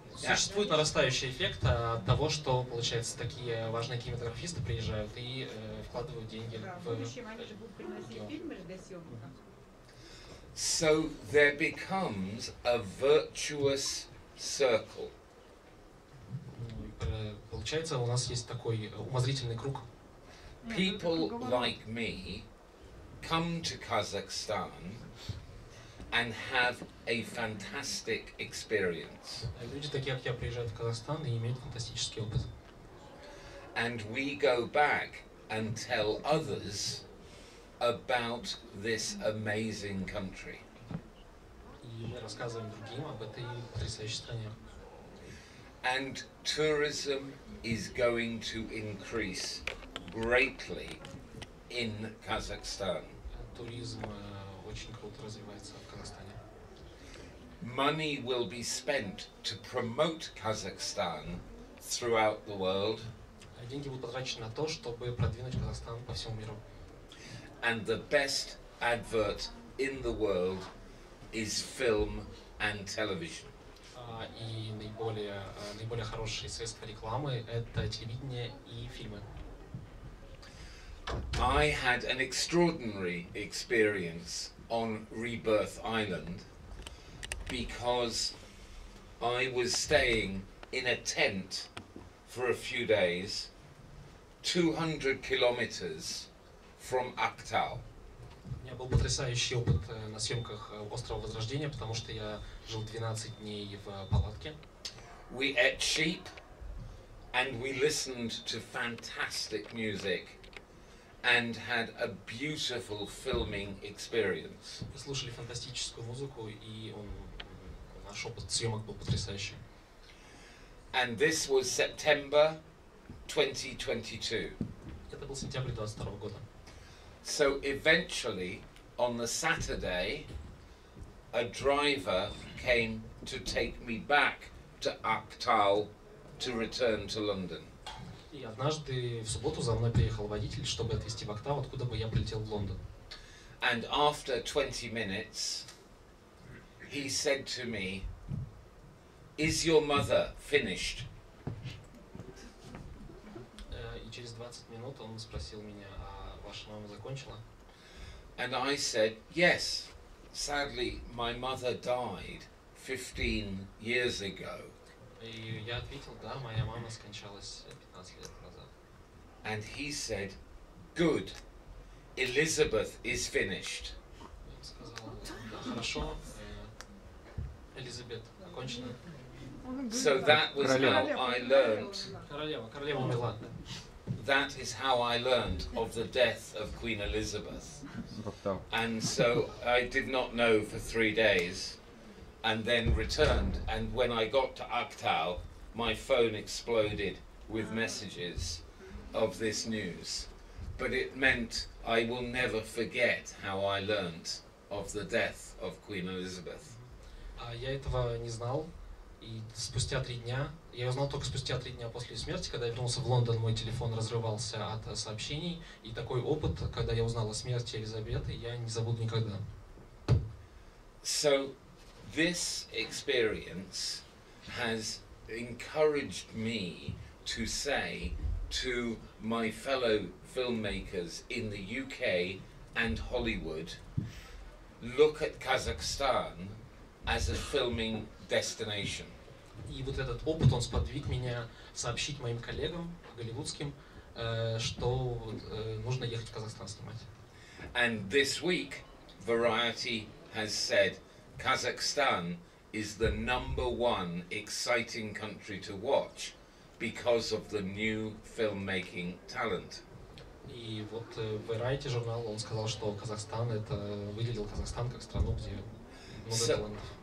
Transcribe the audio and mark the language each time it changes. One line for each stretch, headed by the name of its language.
Russian: Существует нарастающий эффект от того, что, получается, такие важные кинематографисты приезжают и вкладывают деньги. Да, в будущем они же будут приносить фильмы же для съемок.
English: So there becomes a virtuous circle.
Russian: Получается, у нас есть такой умозрительный круг.
English: People like me come to Kazakhstan and have a fantastic experience.
Russian: Люди такие, как я, приезжают в Казахстан и имеют фантастический опыт.
English: And we go back and tell others about this amazing country.
Russian: И мы рассказываем другим об этой потрясающей стране.
English: And tourism is going to increase greatly in Kazakhstan.
Russian: Туризм очень круто развивается в Казахстане.
English: money will be spent to promote Kazakhstan throughout the world.
Russian: Деньги будут потрачены на то, чтобы продвинуть Казахстан по всему миру.
English: And the best advert in the world is film and television.
Russian: И наиболее хорошие средства рекламы – это телевидение и фильмы.
English: I had an extraordinary experience on Rebirth Island because I was staying in a tent for a few days, 200 kilometers from Aktau.
Russian: У меня был потрясающий опыт на съемках острова Возрождения, потому что я жил 12 дней в палатке.
English: We ate sheep and we listened to fantastic music and had a beautiful filming experience.
Russian: Мы слушали фантастическую музыку, и наш опыт съемок был потрясающий.
English: And this was September 2022.
Russian: Это был сентябрь 2022 года.
English: So eventually, on the Saturday, a driver came to take me back to Aktau to return to London.
Russian: И однажды в субботу за мной приехал водитель, чтобы отвезти в Актау, откуда бы я прилетел в Лондон.
English: And after 20 minutes, he said to me, "Is your mother finished?"
Russian: И через 20 минут он спросил меня, ваша мама закончила?
English: And I said, yes, sadly, my mother died 15 years ago.
Russian: И я ответил, да, моя мама скончалась 15 лет назад.
English: And he said, good, Elizabeth is finished.
Russian: Он сказал, да, хорошо, Элизабет окончена.
English: So that was
Russian: королева.
English: How I learned.
Russian: Королева умерла.
English: That is how I learned of the death of Queen Elizabeth. And so I did not know for 3 days and then returned. And when I got to Aktau, my phone exploded with messages of this news. But it meant I will never forget how I learned of the death of Queen Elizabeth.
Russian: Я этого не знал. И спустя 3 дня, я узнал только спустя 3 дня после смерти, когда я вернулся в Лондон, мой телефон разрывался от сообщений. И такой опыт, когда я узнал о смерти Елизаветы, я не забуду никогда.
English: So, this experience has encouraged me to say to my fellow filmmakers in the UK and Hollywood, look at Kazakhstan as a filming destination.
Russian: И вот этот опыт, он сподвиг меня сообщить моим коллегам голливудским, что нужно ехать в Казахстан снимать.
English: And this week Variety has said Kazakhstan is the number one exciting country to watch because of the new filmmaking talent.
Russian: И вот Variety журнал, он сказал, что Казахстан это выделил Казахстан как страну, где много талантов.